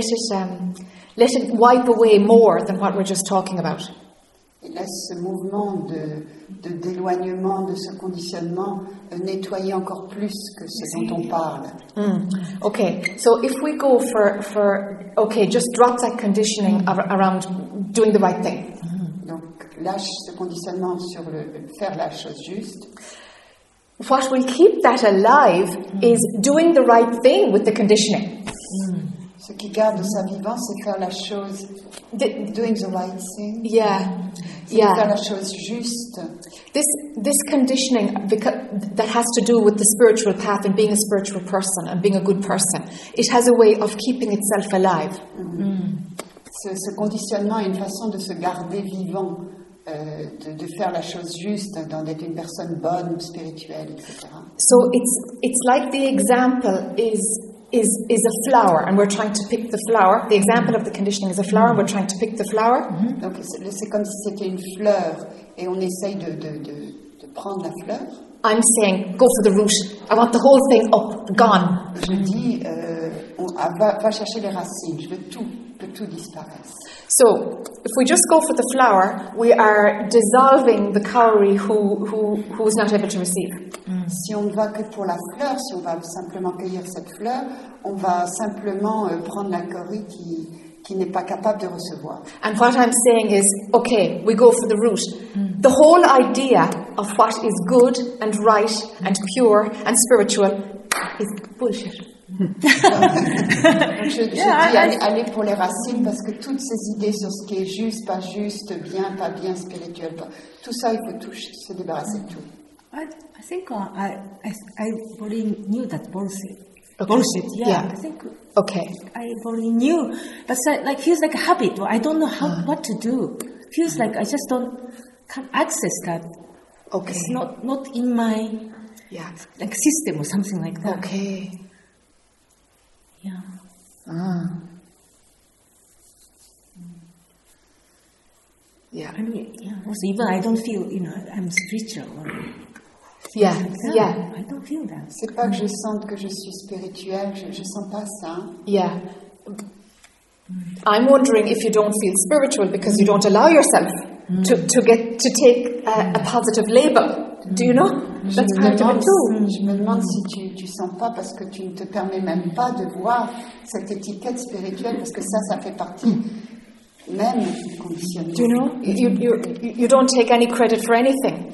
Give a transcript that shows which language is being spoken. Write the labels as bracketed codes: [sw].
[en] Let it wipe away more than what we're just talking about. [fr] Et laisse ce mouvement de d'éloignement de ce conditionnement nettoyer encore plus que ce dont on parle. [en] Okay, so if we go for okay, just drop that conditioning around doing the right thing. [fr] Donc lâche ce conditionnement sur le faire la chose juste. [en] What will keep that alive is doing the right thing with the conditioning. [fr] Ce qui garde ça vivant, c'est faire la chose. [en] Doing the right thing. Yeah. [fr] Faire la chose juste. [en] This conditioning that has to do with the spiritual path and being a spiritual person and being a good person, it has a way of keeping itself alive. [fr] Ce conditionnement a une façon de se garder vivant, de faire la chose juste, d'être une personne bonne, spirituelle, etc. [en] So it's like the example is a flower, and we're trying to pick the flower. The example of the conditioning is a flower, and we're trying to pick the flower. [fr] Donc c'est comme si c'était une fleur, et on essaye de prendre la fleur. [en] I'm saying, go for the root. I want the whole thing up, gone. [fr] Je dis, va chercher les racines. Je veux tout, que tout disparaisse. [en] So, if we just go for the flower, we are dissolving the cowrie who is not able to receive. [fr] Si on ne va que pour la fleur, si on va simplement cueillir cette fleur, on va simplement prendre la cowrie qui n'est pas capable de recevoir. [en] And what I'm saying is, okay, we go for the root. The whole idea of what is good and right and pure and spiritual is bullshit. [fr] Aller pour les racines parce que toutes ces idées sur ce qui est juste, pas juste, bien, pas bien, spirituel, tout ça, il faut tout se débarrasser de tout. [en] I think I already knew that bullshit. Okay. I already knew, but so, like feels like a habit. I don't know how what to do. Feels like I just don't can't access that. Okay. It's not in my like system or something like that. Okay. Yeah. I mean, also, even I don't feel, I'm spiritual. I don't feel that. [fr] C'est pas que je sente que je suis spirituelle, je sens pas ça. [en] Yeah. I'm wondering if you don't feel spiritual because you don't allow yourself to take a positive label. Do you know? [fr] Je me demande si tu sens pas parce que tu ne te permets même pas de voir cette étiquette spirituelle parce que ça fait partie même du conditionnement. [en] Do you know? You don't take any credit for anything.